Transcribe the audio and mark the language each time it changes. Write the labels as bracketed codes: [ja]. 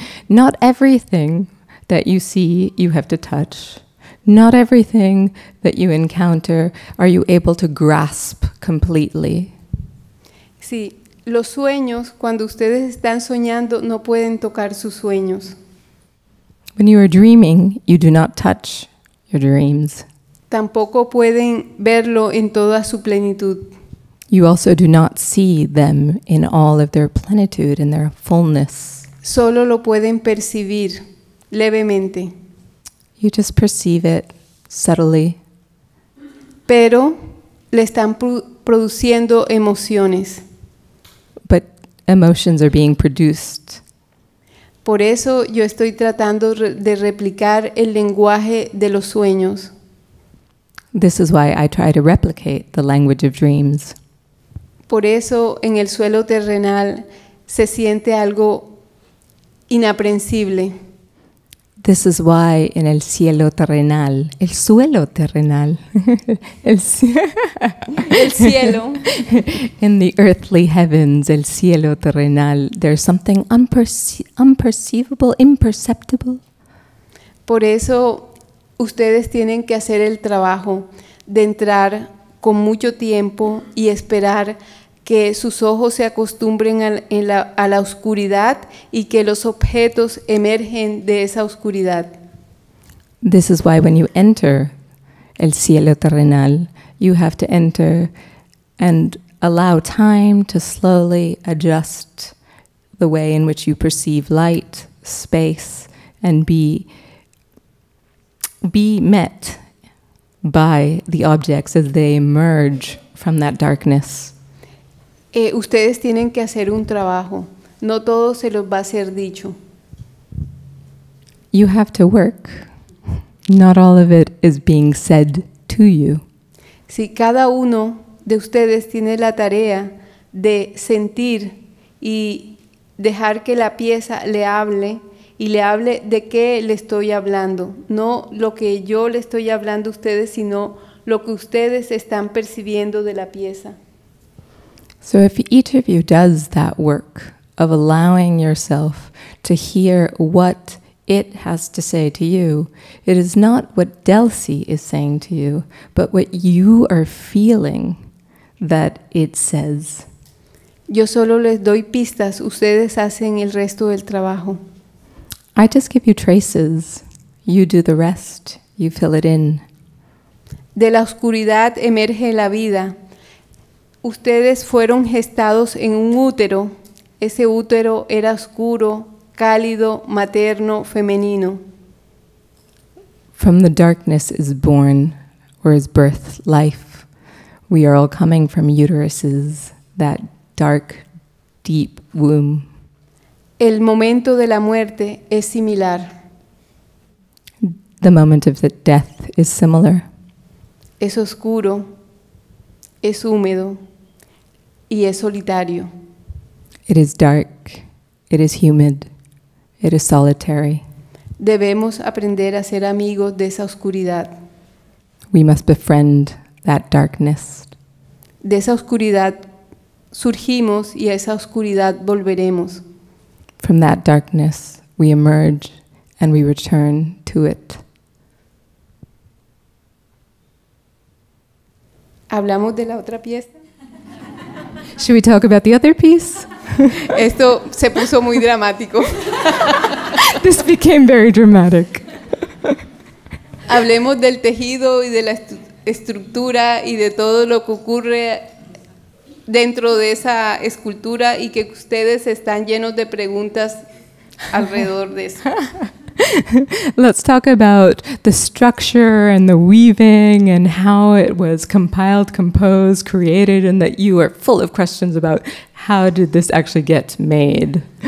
[en] Not everything that you see you have to touch. Not everything that you encounter are you able to grasp completely. [es] Sí. Los sueños, cuando ustedes están soñando, no pueden tocar sus sueños. [en] When you are dreaming, you do not touch your dreams. [es] Tampoco pueden verlo en toda su plenitud. [en] You also do not see them in all of their plenitude, in their fullness. [es] Solo lo pueden percibir levemente. [en] You just perceive it subtly. [es] Pero le están produciendo emociones. [en] Emotions are being produced. [es] Por eso yo estoy tratando de replicar el lenguaje de los sueños. [en] This is why I try to replicate the language of dreams. [es] Por eso en el suelo terrenal se siente algo inaprensible. This is why en el cielo terrenal, el suelo terrenal, el cielo. [en] In the earthly heavens, el cielo terrenal, there's something unperceivable, imperceptible. [es] Por eso ustedes tienen que hacer el trabajo de entrar con mucho tiempo y esperar que sus ojos se acostumbren a la oscuridad y que los objetos emergen de esa oscuridad. [en] This is why when you enter el cielo terrenal, you have to enter and allow time to slowly adjust the way in which you perceive light, space, and be met by the objects as they emerge from that darkness. [es] Ustedes tienen que hacer un trabajo. No todo se los va a ser dicho. [en] You have to work. Not all of it is being said to you. [es] Si cada uno de ustedes tiene la tarea de sentir y dejar que la pieza le hable y le hable de qué le estoy hablando. No lo que yo le estoy hablando a ustedes, sino lo que ustedes están percibiendo de la pieza. [en] So if each of you does that work of allowing yourself to hear what it has to say to you, it is not what Delcy is saying to you, but what you are feeling that it says. [es] Yo solo les doy pistas, ustedes hacen el resto del trabajo. [en] I just give you traces, you do the rest, you fill it in. [es] De la oscuridad emerge la vida. Ustedes fueron gestados en un útero. Ese útero era oscuro, cálido, materno, femenino. [en] From the darkness is born, or is birth, life. We are all coming from uteruses, that dark, deep womb. [es] El momento de la muerte es similar. [en] The moment of the death is similar. [es] Es oscuro, es húmedo. Y es solitario. [en] It is dark, it is humid, it is solitary. [es] Debemos aprender a ser amigos de esa oscuridad. [en] We must befriend that darkness. [es] De esa oscuridad surgimos y a esa oscuridad volveremos. [en] From that darkness we emerge and we return to it. [es] ¿Hablamos de la otra pieza? [en] Should we talk about the other piece? [es] Esto se puso muy dramático. [en] This became very dramatic. [es] Hablemos del tejido y de la estructura y de todo lo que ocurre dentro de esa escultura y que ustedes están llenos de preguntas alrededor de eso. [en] Let's talk about the structure and the weaving and how it was compiled, composed, created, and that you are full of questions about how did this actually get made.